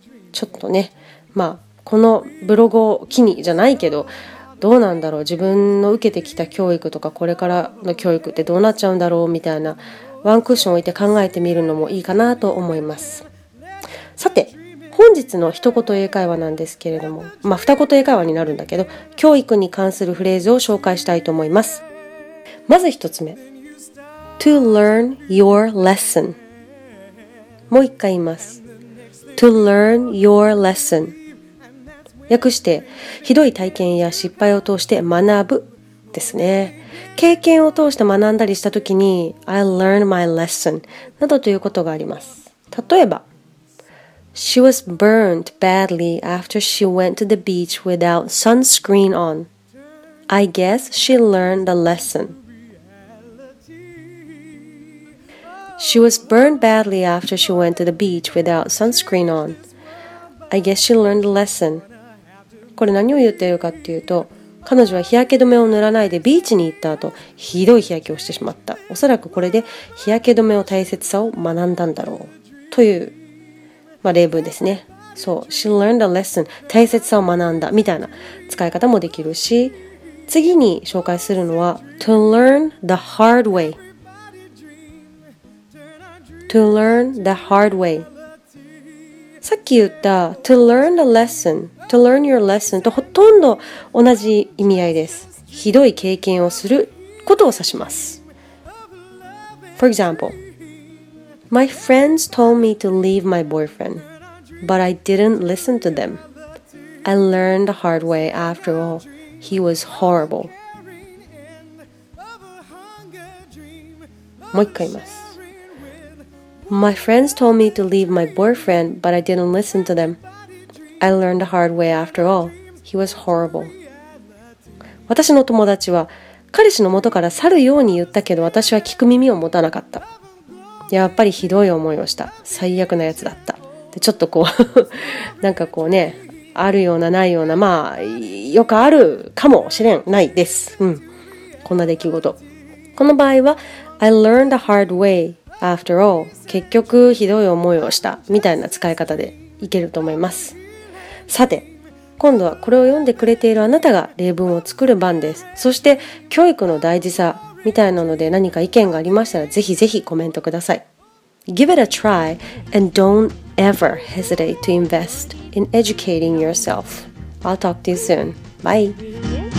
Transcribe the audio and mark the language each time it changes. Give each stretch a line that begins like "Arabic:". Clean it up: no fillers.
Japanese: ちょっとね、まあこのブログを機にじゃないけど、どうなんだろう、自分の受けてきた教育とかこれからの教育ってどうなっちゃうんだろうみたいな、ワンクッション置いて考えてみるのもいいかなと思います。さて本日の一言英会話なんですけれども、まあ二言英会話になるんだけど、教育に関するフレーズを紹介したいと思います。まず1つ目、
English: To learn your lesson。
Japanese: もう一回言います。
English: To learn your lesson、
Japanese: 訳してひどい体験や失敗を通して学ぶですね。経験を通して学んだりした時に
English: I learned my lesson
Japanese: などということがあります。
English: 例えば She was burned badly after she went to the beach without sunscreen on. I guess she learned the lesson. She was burned badly after she went to the beach without sunscreen on. I guess she learned the lesson.
Japanese: これ何を言っているかっていうと、彼女は日焼け止めを塗らないでビーチに行った後ひどい日焼けをしてしまった、おそらくこれで日焼け止めの大切さを学んだんだろうという、まあ、例文ですね。そう、
English: She learned a lesson、
Japanese: 大切さを学んだみたいな使い方もできるし、次に紹介するのは
English: To learn the hard way。 To learn the hard way、
Japanese: さっき言った
English: To learn the lessonTo learn your lesson
Japanese: とほとんど同じ意味合いです。ひどい経験をすることを指します。
English: For example, My friends told me to leave my boyfriend, but I didn't listen to them. I learned the hard way after all. He was horrible.
Japanese: もう一回言います。
English: My friends told me to leave my boyfriend, but I didn't listen to them. I learned the hard way after all. He was horrible.
Japanese: 私の友達は彼氏の元から去るように言ったけど、私は聞く耳を持たなかった。やっぱりひどい思いをした。最悪なやつだった。でちょっとこうなんかこうね、あるようなないような、まあよくあるかもしれないです。うん、こんな出来事。
English: この場合は I learned the hard way after all.
Japanese: 結局ひどい思いをしたみたいな使い方でいけると思います。さて今度はこれを読んでくれているあなたが例文を作る番です。そして教育の大事さみたいなので何か意見がありましたら、ぜひぜひコメントください。
English: Give it a try and don't ever hesitate to invest in educating yourself. I'll talk to you soon. Bye.